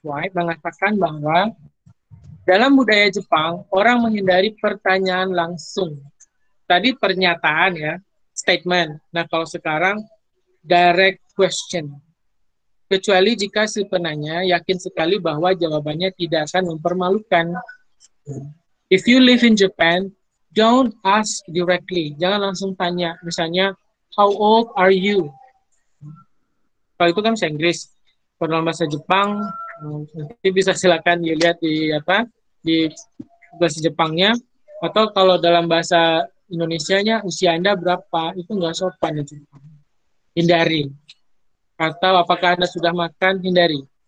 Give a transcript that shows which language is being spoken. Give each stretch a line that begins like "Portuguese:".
Indonesian: White mengatakan bahwa dalam budaya Jepang, orang menghindari pertanyaan langsung. Tadi pernyataan ya, statement. Nah, kalau sekarang, direct question. Kecuali jika si penanya yakin sekali bahwa jawabannya tidak akan mempermalukan.
English: If you live in Japan, don't ask directly.
Indonesian: Jangan langsung tanya. Misalnya,
English: how old are you?
Indonesian: Kalau itu kan bahasa Inggris. Kalau bahasa Jepang, nanti bisa silakan dilihat di bahasa Jepangnya. Atau kalau dalam bahasa Indonesianya, usia Anda berapa? Itu nggak sopan di Jepang. Hindari. Atau apakah Anda sudah makan? Hindari.